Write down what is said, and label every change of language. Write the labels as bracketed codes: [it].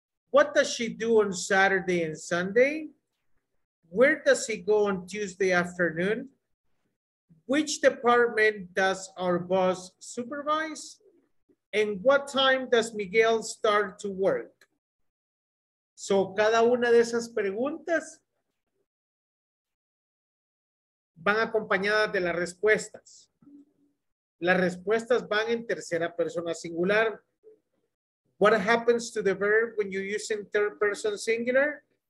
[en] What does she do on Saturday and Sunday? Where does he go on Tuesday afternoon? Which department does our boss supervise? And what time does Miguel start to work? [es] So, cada una de esas preguntas van acompañadas de las respuestas. Las respuestas van en tercera persona singular. [en] What happens to the verb when you use in third person singular?